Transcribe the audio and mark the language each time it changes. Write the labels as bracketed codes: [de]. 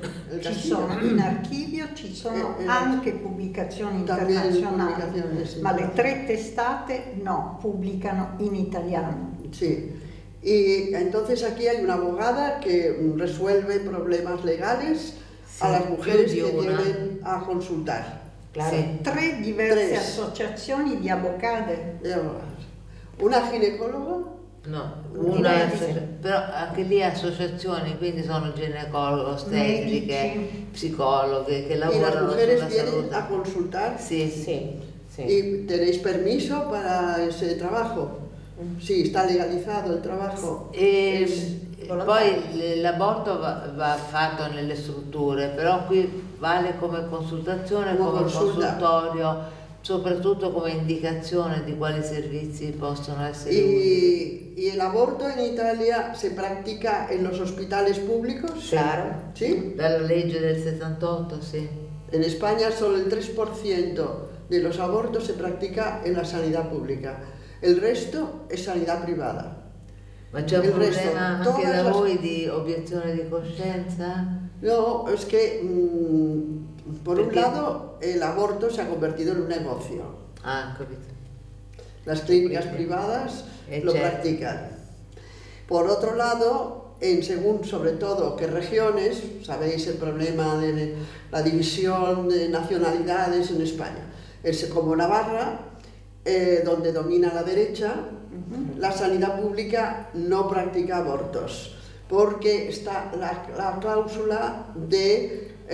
[it] En archivio ci sono anche pubblicazioni internazionali, ma le tre testate no, pubblicano in italiano. [es] Sí. Y entonces aquí hay una abogada que resuelve problemas legales a las mujeres que vienen a consultar. Claro. [it] Tre diverse associazioni di avvocate. [es] Una ginecóloga. [it] No, però anche lì associazioni, quindi sono ginecologi, ostetriche, psicologhe che lavorano sulla salute. [es] E le mujeres vienen a consultar? Sí. [it] Sì. [es] ¿Y tenéis permiso para ese trabajo? Sì, sí, está legalizado el trabajo. [it] Poi l'aborto va fatto nelle strutture, però qui vale come consultazione, consultorio, soprattutto come indicazione di quali servizi possono essere utili. E l'aborto in Italia si pratica in [es] los hospitales públicos? Claro. [it] Sì? Dalla legge del 78, sì. In Spagna solo il [es] 3% de los abortos se practica en la sanidad pública. El resto es sanidad privada. [it] Ma c'è un problema anche da voi di obiezione di coscienza? [es] No, es que un lado, el aborto se ha convertido en un negocio. [it] Ah, capito. [es] Las clínicas privadas lo practican. Por otro lado, en según sobre todo qué regiones, sabéis el problema de la división de nacionalidades en España. Es como Navarra, donde domina la derecha, la sanidad pública no practica abortos. [it] perché sta la clausola di